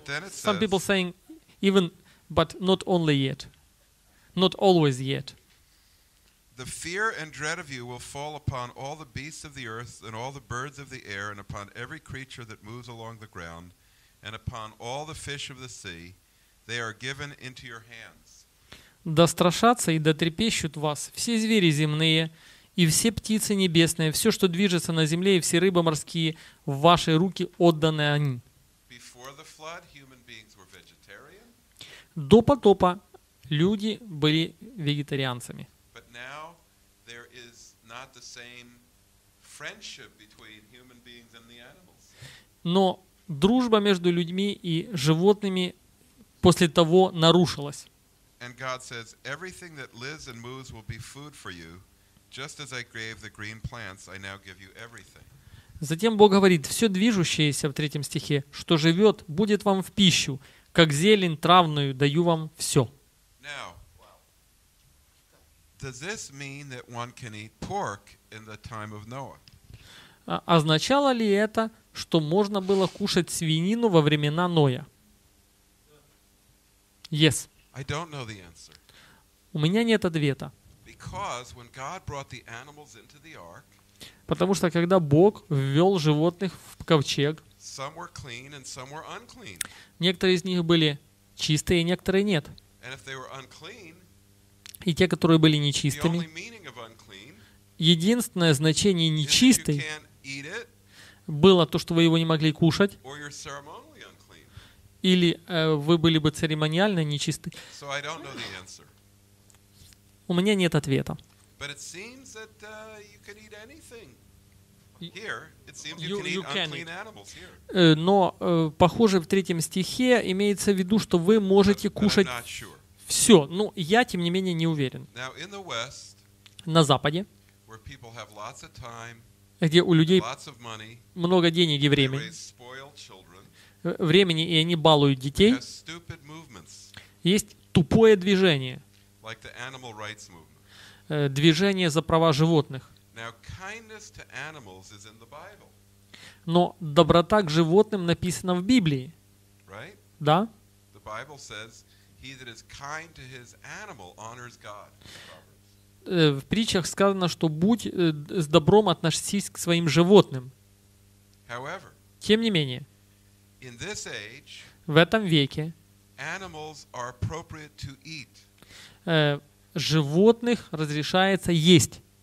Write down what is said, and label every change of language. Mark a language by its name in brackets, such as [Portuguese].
[English] Some people saying even, but not only yet, not always yet. The fear and dread of you will fall upon all the beasts of the earth and all the birds of the air and upon every creature that moves along the ground and upon all the fish of the sea. They are given into your hands. [Russian] Да страшатся и да трепещут вас все звери земные и все птицы небесные, все, что движется на земле, и все рыбы морские, в ваши руки отданы они. [English] Before the flood, human beings were vegetarian. [Russian] До потопа люди были вегетарианцами. [English] But now there is not the same friendship between human beings and the animals. [Russian] Но дружба между людьми и животными после того нарушилось. [English] And God says, everything that lives and moves will be food for you, just as I gave the green plants, I now give you everything. [Russian] Затем Бог говорит, все движущееся в третьем стихе, что живет, будет вам в пищу, как зелень травную даю вам все. [English] Now, does this mean that one can eat pork in the time of Noah? [Russian] Означало ли это, что можно было кушать свинину во времена Ноя? [English] Yes. I don't know the answer. [Russian] У меня нет ответа. [English] Because when God brought the animals into the ark, [Russian] потому что когда Бог ввел животных в ковчег, [English] some were clean and some were unclean. [Russian] Некоторые из них были чистые, некоторые нет. [English] And if they were unclean, [Russian] и те, которые были нечистыми, [English] the only meaning of unclean, [Russian] единственное значение нечистый [English] is if you can't eat it, [Russian] было то, что вы его не могли кушать, [English] or you're ceremonially unclean. [Russian] Или вы были бы церемониально нечисты. [English] So I don't know the answer. [Russian] У меня нет ответа. [English] But it seems that you can eat anything here. It seems you can eat unclean animals here. [Russian] Но похоже, в третьем стихе имеется в виду, что вы можете кушать все. Ну, я тем не менее не уверен. [English] Now, in the West, [Russian] на Западе, [English] where people have lots of time, [Russian] где у людей [English] lots of money, [Russian] много денег и времени, [English] they raise spoiled children, [Russian] времени и они балуют детей, [English] they have stupid movements, [Russian] есть тупое движение. [English] Like the animal rights movement. [Russian] Движение за права животных. [English] Now, kindness to animals is in the Bible. [Russian] Но доброта к животным написана в Библии. [English] Right? [Russian] Да? [English] The Bible says, he that is kind to his animal honors God. [Russian] В притчах сказано, что будь с добром относись к своим животным. [English] However, [Russian] тем не менее, [English] in this age, [Russian] в этом веке [English] animals are appropriate to eat. [Russian] Животных разрешается есть.